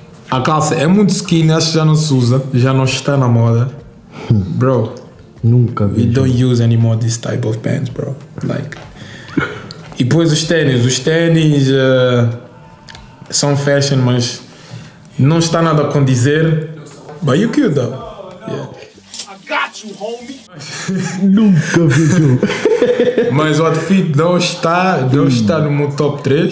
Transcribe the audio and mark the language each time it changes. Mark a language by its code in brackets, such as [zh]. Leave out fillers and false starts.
[pt] A calça é muito skinny, acho que já não se usa, já não está na moda. [en] Bro, [pt] nunca vi. [en] We don't use anymore this type of pants, bro. Like. [pt] E depois os ténis são fashion, mas não está nada a condizer. [en] But you cute though. Yeah. I got you, homie. [pt] Nunca vi. Mas o outfit não está no meu top 3.